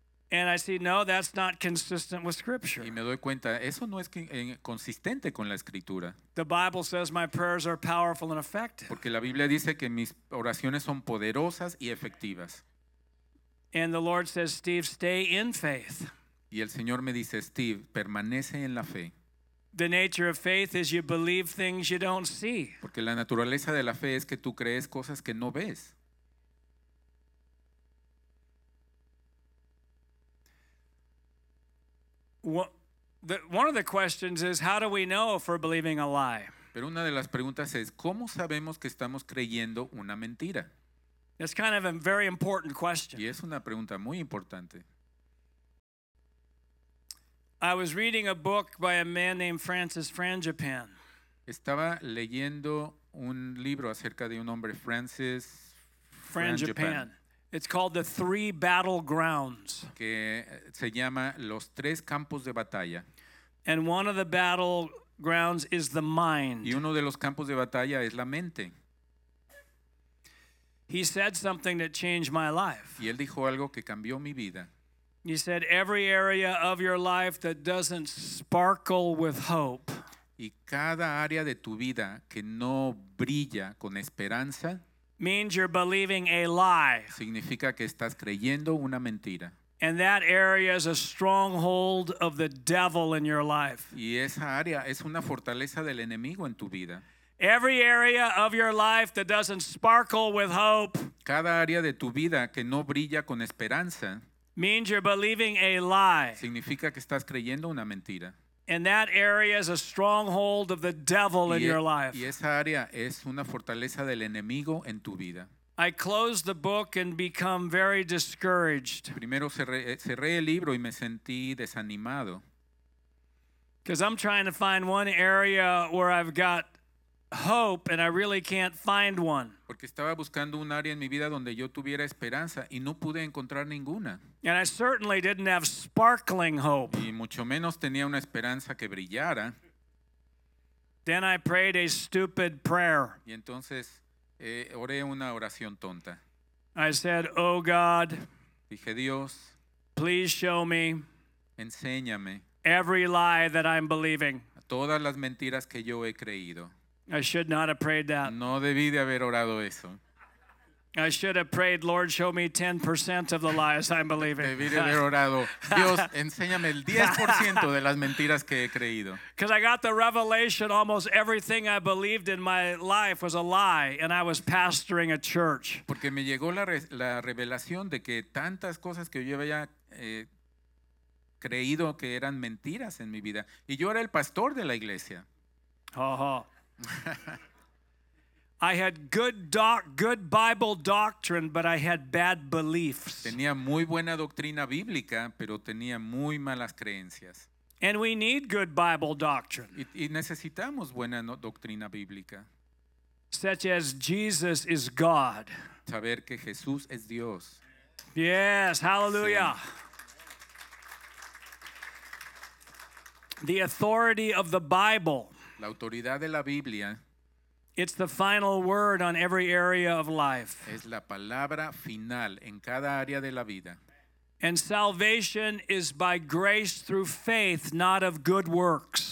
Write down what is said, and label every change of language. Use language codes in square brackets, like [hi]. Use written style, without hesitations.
[en] And I see, no, that's not consistent with Scripture. [es] Y me doy cuenta, eso no es consistente con la Escritura. [en] The Bible says my prayers are powerful and effective. [es] Porque la Biblia dice que mis oraciones son poderosas y efectivas. [en] And the Lord says, Steve, stay in faith. [es] Y el Señor me dice, Steve, permanece en la fe. [en] The nature of faith is you believe things you don't see. [es] Porque la naturaleza de la fe es que tú crees cosas que no ves. [en] One of the questions is, how do we know if we're believing a lie? [es] Pero una de las preguntas es, ¿cómo sabemos que estamos creyendo una mentira? [en] That's kind of a very important question. [es] Y es una pregunta muy importante. [en] I was reading a book by a man named Francis Frangipan. [es] Estaba leyendo un libro acerca de un hombre, Francis [en] Frangipan. It's called The Three Battlegrounds. [es] Que se llama Los Tres Campos de Batalla. [en] And one of the battlegrounds is the mind. [es] Y uno de los campos de batalla es la mente. [en] He said something that changed my life. [es] Y él dijo algo que cambió mi vida. [en] He said, every area of your life that doesn't sparkle with hope. [es] Y cada área de tu vida que no brilla con esperanza. [en] Means you're believing a lie. [es] Significa que estás creyendo una mentira. [en] And that area is a stronghold of the devil in your life. [es] Y esa área es una fortaleza del enemigo en tu vida. [en] Every area of your life that doesn't sparkle with hope. [es] Cada área de tu vida que no brilla con esperanza. [en] Means you're believing a lie. [es] Significa que estás creyendo una mentira. [en] And that area is a stronghold of the devil in your life. [es] Y esa área es una fortaleza del enemigo en tu vida. [en] I closed the book and become very discouraged. [es] Primero cerré el libro y me sentí desanimado. [en] Because I'm trying to find one area where I've got hope and I really can't find one. [es] Porque estaba buscando un área en mi vida donde yo tuviera esperanza y no pude encontrar ninguna. [en] And I certainly didn't have sparkling hope. [es] Y mucho menos tenía una esperanza que brillara. [en] Then I prayed a stupid prayer. [es] Y entonces oré una oración tonta. [en] I said, "Oh God, [es] dije Dios, [en] please show me, [es] enséñame [en] every lie that I'm believing. [es] Todas las mentiras que yo he creído." [en] I should not have prayed that. [es] No debí de haber orado eso. [en] I should have prayed, Lord, show me 10% of the lies I'm believing. [es] Debería haber orado, Dios, enséñame el 10% de las mentiras que he creído. [en] Because I got the revelation, almost everything I believed in my life was a lie, and I was pastoring a church. [es] Porque me llegó la revelación de que tantas cosas que yo había creído que eran mentiras en mi vida, y yo era el pastor de la iglesia. [en] I had good Bible doctrine, but I had bad beliefs. [es] Tenía muy buena doctrina bíblica, pero tenía muy malas creencias. [en] And we need good Bible doctrine. [es] Y necesitamos buena doctrina bíblica. [en] Such as Jesus is God. [es] Saber que Jesús es Dios. [en] Yes, hallelujah. Sí. The authority of the Bible. [es] La autoridad de la Biblia. [en] It's the final word on every area of life. [es] Es la palabra final en cada área de la vida. [en] And salvation is by grace through faith, not of good works.